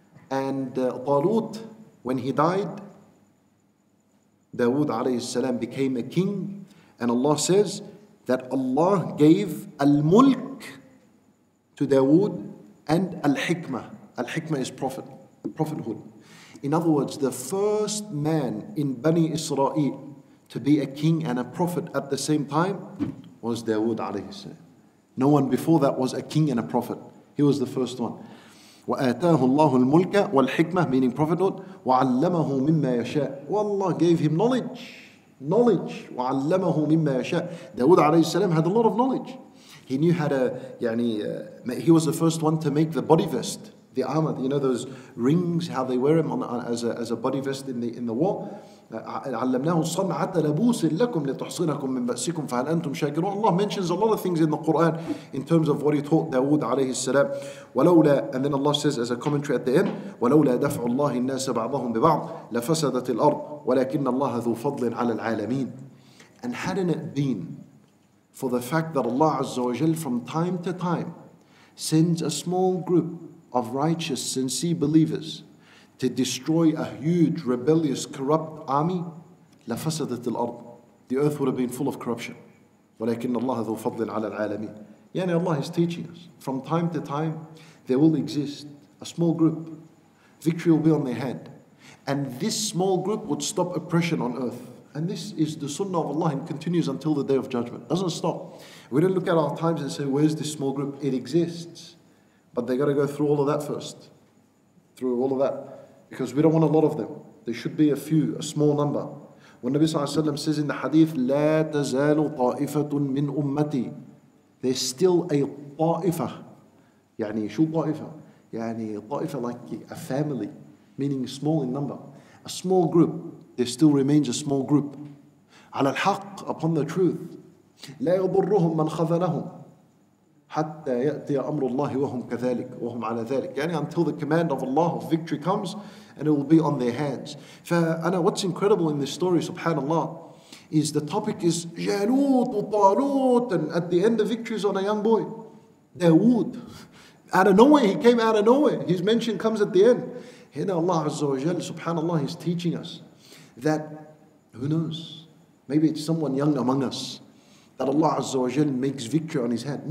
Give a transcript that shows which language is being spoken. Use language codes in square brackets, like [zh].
[en] And Talut, when he died, Dawood alayhi salam became a king, and Allah says that Allah gave al-mulk to Dawood and al-hikmah. Al-hikmah is prophet, prophethood. In other words, the first man in Bani Israel to be a king and a prophet at the same time was Dawood alayhi salam. No one before that was a king and a prophet. He was the first one. [ar] وَآتَاهُ اللَّهُ الْمُلْكَ وَالْحِكْمَةِ [en] meaning prophethood, [ar] وَعَلَّمَهُ مِمَّا يَشَاءُ. [en] Well, Allah gave him knowledge, [ar] وَعَلَّمَهُ مِمَّا يَشَاءُ. [en] Dawood alayhi salam had a lot of knowledge. He knew how to, he was the first one to make the body vest, the armor, you know, those rings, how they wear them as a body vest in the war. [ar] عَلَّمْنَاهُ صَنْعَةَ لَبُوسٍ لَكُمْ لِتُحْصِنَكُمْ مِنْ بَأْسِكُمْ فَهَلْ أَنْتُمْ شَاكِرُونَ. [en] Allah mentions a lot of things in the Quran in terms of what he taught Dawood alayhi salam. [ar] وَلَوْلَا, [en] and then Allah says as a commentary at the end, [ar] وَلَوْلَا دَفْعُ اللَّهِ النَّاسَ بَعْضَهُمْ بِبَعْضٍ لَفَسَدَتِ الْأَرْضِ وَلَكِنَّ اللَّهَ ذُو فَضْلٍ عَلَى الْعَالَمِينَ. [en] And hadn't it been for the fact that Allah Azza wa Jal from time to time sends a small group of righteous, sincere believers to destroy a huge, rebellious, corrupt army, [ar] لَفَسَدَتِ الْأَرْضِ, [en] the earth would have been full of corruption. [ar] وَلَكِنَّ اللَّهَ ذُو فَضْلٍ عَلَى الْعَالَمِينَ. [en] Yani Allah is teaching us, from time to time, there will exist a small group, victory will be on their hand. And this small group would stop oppression on earth. And this is the sunnah of Allah and continues until the day of judgment. It doesn't stop. We don't look at our times and say, where's this small group? It exists. But they got to go through all of that first. Through all of that. Because we don't want a lot of them. There should be a few, a small number. When Nabi Sallallahu Alaihi Wasallam says in the hadith, [ar] لا تزال طائفة من أمتي. [en] There's still a طائفة. [ar] يعني شو طائفة؟ يعني طائفة [en] like a family. Meaning small in number. A small group. There still remains a small group. [ar] على الحق, [en] upon the truth. [ar] لا يضرهم من خذلهم حتى يأتي أمر الله وهم كذلك وهم على ذلك. [en] يعني until the command of Allah of victory comes and it will be on their hands. فأنا, what's incredible in this story, subhanAllah, is the topic is جالوت وطالوت, and at the end the victory is on a young boy, داود. Out of nowhere, he came out of nowhere. His mention comes at the end. هنا الله عز وجل, subhanAllah, is teaching us that, who knows, maybe it's someone young among us that Allah Azza wa Jal makes victory on his head.